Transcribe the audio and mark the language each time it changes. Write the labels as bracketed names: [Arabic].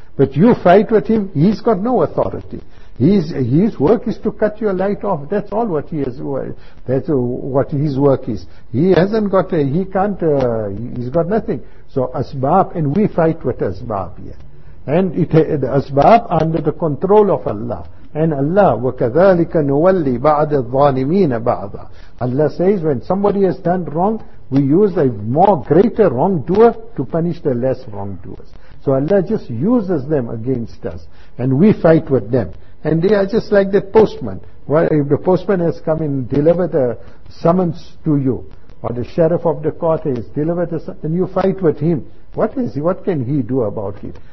[English] But you fight with him, he's got no authority. His work is to cut your light off. That's all what he has. That's what his work is. He hasn't got a, he can't, he's got nothing. So asbab, and we fight with asbab here. And the asbab under the control of Allah. And Allah, [Arabic] وَكَذَلِكَ نُوَلِّي بَعْدَ الظَّالِمِينَ بَعْضًا. [English] Allah says, when somebody has done wrong, we use a more greater wrongdoer to punish the less wrongdoers. So Allah just uses them against us. And we fight with them. And they are just like that postman. Well, if the postman has come and delivered a summons to you, or the sheriff of the court has delivered a summons, and you fight with him, what can he do about it?